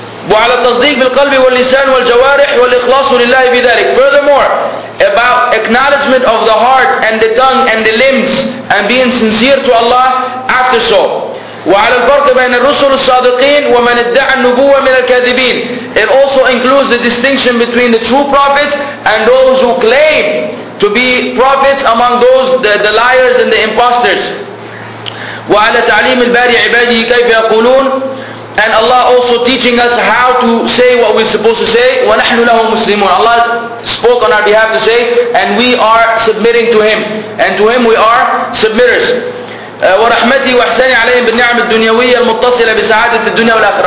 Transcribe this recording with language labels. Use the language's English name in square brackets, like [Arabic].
[Arabic] وعلى التصديق بالقلب واللسان والجوارح والإخلاص لله بذلك. [English] Furthermore, about acknowledgement of the heart and the tongue and the limbs and being sincere to Allah after so. [Arabic] وعلى الفرق بين الرسل الصادقين ومن ادعى النبوة من الكاذبين. [English] It also includes the distinction between the true prophets and those who claim to be prophets among those the liars and the imposters. [Arabic] وعلى تعليم الباري عباده كيف يقولون. [English] And Allah also teaching us how to say what we're supposed to say. [Arabic] ونحن له مسلمون. [English] Allah spoke on our behalf to say, and we are submitting to Him, and to Him we are submitters. [Arabic] ورحمتي وحسني عليهم بالنعم الدنيوية المتصلة بسعادة الدنيا والآخرة.